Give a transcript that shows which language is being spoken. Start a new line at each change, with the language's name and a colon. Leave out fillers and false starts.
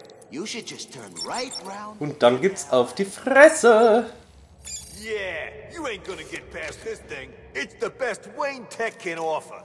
English: You should just turn right round.
German: Und dann gibt's auf die Fresse.
English: Yeah, you ain't gonna get past this thing. It's the best Wayne Tech can offer.